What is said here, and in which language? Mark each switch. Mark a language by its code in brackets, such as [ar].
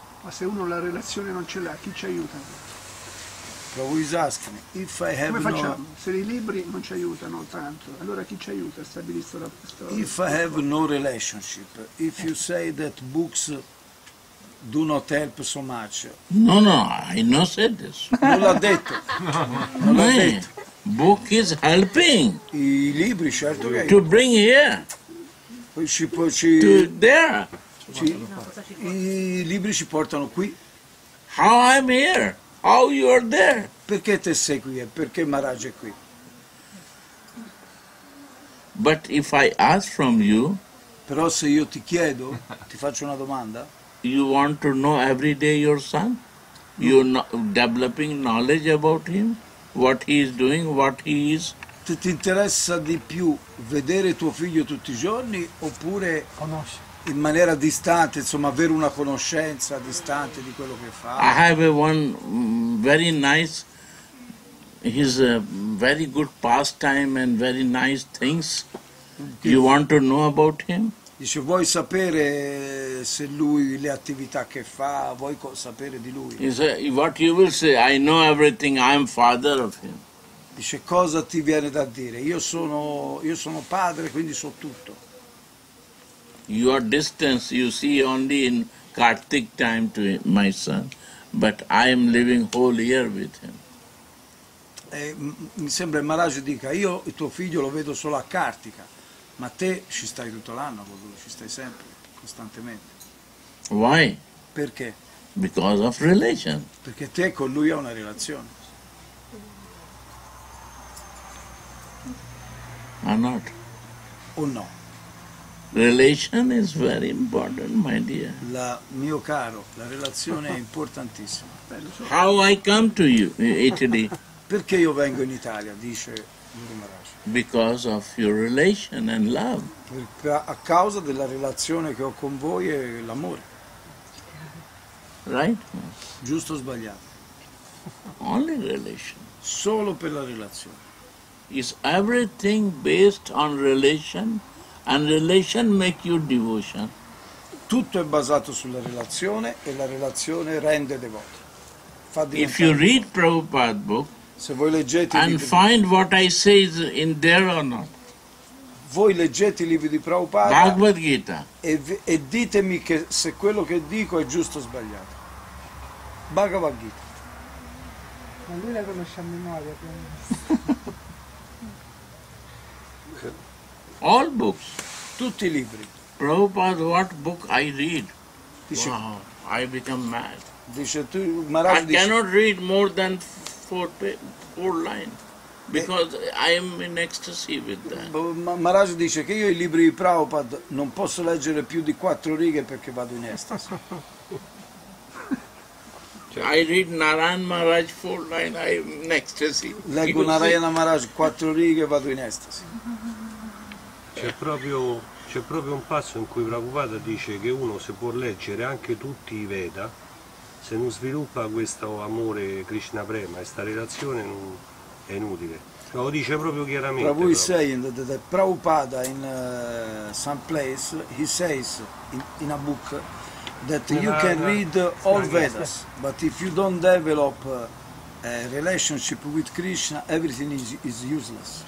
[it] se uno la relazione non ce l'ha, chi ci aiuta? [en] So who is asking, if I have [it] come facciamo? No, se i libri non ci aiutano tanto, allora chi ci aiuta a stabilire questo? [en] If I have no relationship, if you say that books do not help so much. No, no, I not said this. [it] Non l'ha detto. Non l'ha detto. [en] Book is helping. [it] I libri, certo che. [en] To bring here. To there. [it] I libri ci portano qui. [en] How I'm here? How you are there? [it] Perché te sei qui? Perché Maharaj è qui? [en] But if I ask from you. [it] Però se io ti chiedo, ti faccio una domanda. [en] You want to know every day your son? You developing knowledge about him? What he is doing? What he is? [it] Ti interessa di più vedere tuo figlio tutti i giorni oppure conosce in maniera distante, insomma, avere una conoscenza distante di quello che fa? [en] I have one very nice. His very good pastime and very nice things. You want to know about him? [it] Dice, vuoi sapere se lui le attività che fa, vuoi sapere di lui? [en] Dice, what you will say, I know everything, I am father of him. [it] Dice, cosa ti viene da dire? Io sono padre, quindi so tutto. [en] You are distant, you see only in Kartik time to my son, but I am living whole year with him. [it] Mi sembra Maharaj dica, io il tuo figlio lo vedo solo a Kartika. Ma te ci stai tutto l'anno, ci stai sempre, costantemente. [en] Why? [it] Perché? [en] Because of relation. [it] Perché te con lui hai una relazione. [en] Or not? [it] O no? [en] Relation is very important, my dear. [it] La mio caro, la relazione è importantissima. [en] How I come to you, Italy? [it] Perché io vengo in Italia, dice Guru Maharaj. [en] Because of your relation and love. [it] A causa della relazione che ho con voi e l'amore. [en] Right? [it] Giusto o sbagliato? [en] Only relation. [it] Solo per la relazione. [en] Is everything based on relation and relation make you devotion? [it] Tutto è basato sulla relazione e la relazione rende devoto. [en] If you read Prabhupada's book, [it] se voi leggete [en] and find what I say is in there or not. [it] Voi leggete i libri di Prabhupada, Bhagavad Gita, e ditemi che se quello che dico è giusto o sbagliato. Bhagavad Gita. Ma lui la conosce a memoria. [en] All books. [it] Tutti i libri. [en] Prabhupada, what book I read? Dice, wow, I become mad. [it] Dice, tu, Maharaj, [en] I cannot read more than four lines, because I am in ecstasy with that. [it] Maharaj dice che io i libri di Prabhupada non posso leggere più di quattro righe perché vado in ecstasy. [en] I read Narayan Maharaj four lines, I am in ecstasy. [it] Leggo Narayana Maharaj quattro righe e vado in ecstasy. C'è proprio un passo in cui Prabhupada dice che uno si può leggere anche tutti i Veda. Se non sviluppa questo amore Krishna Prema, questa relazione non è inutile. Lo dice proprio chiaramente. [en] Prabhu is saying that Prabhupada in some place, he says in a book that you can read all Vedas, but if you don't develop a relationship with Krishna, everything is useless.